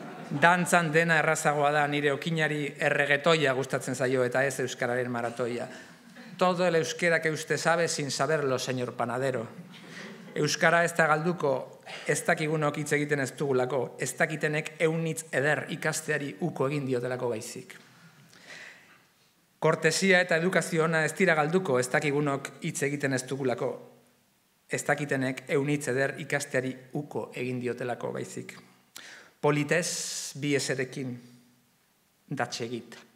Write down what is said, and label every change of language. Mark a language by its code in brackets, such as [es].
[eu] Dantzan dena errazagoa da nire okinari erregetoia gustatzen zaio eta ez euskararen maratoia. [es] Todo el euskera que usted sabe sin saberlo, señor panadero. [eu] Euskara ez da galduko, ez dakigunok hitz egiten ez dugulako, ez dakitenek eunitz eder ikasteari uko egin diotelako baizik. Kortesia eta edukazio ona ez dira galduko, ez dakigunok hitz egiten ez dugulako. Ez dakitenek eunitz eder ikasteari uko egin diotelako baizik. Politez, bi eserekin, datxegit.